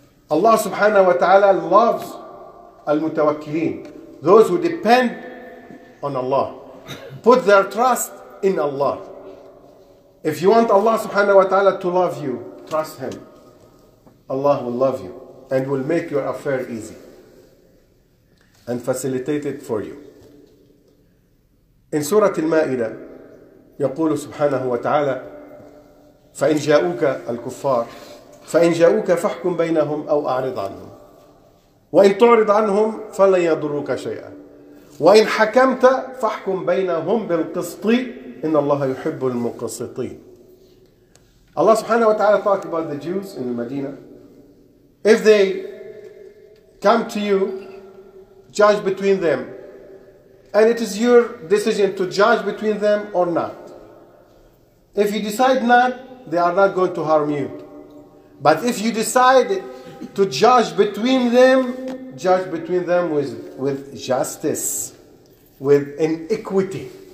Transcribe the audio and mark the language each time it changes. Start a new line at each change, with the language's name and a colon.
English: Allah subhanahu wa ta'ala loves al-mutawakkilin, those who depend on Allah, put their trust in Allah. If you want Allah subhanahu wa ta'ala to love you, trust Him. Allah will love you and will make your affair easy and facilitate it for you. In Surah Al-Ma'idah,
Arabic: يقول سبحانه وتعالى فإن جاءوك الكفار فإن جاءوك فاحكم بينهم أو أعرض عنهم وإن تعرض عنهم فلن يضروك شيئا وإن حكمت فاحكم بينهم بالقسط إن الله يحب المقسطين.
English: Allah subhanahu wa ta'ala talk about the Jews in the Medina. If they come to you, judge between them. And it is your decision to judge between them or not. If you decide not, they are not going to harm you. But if you decide to judge between them, judge between them with justice, with inequity.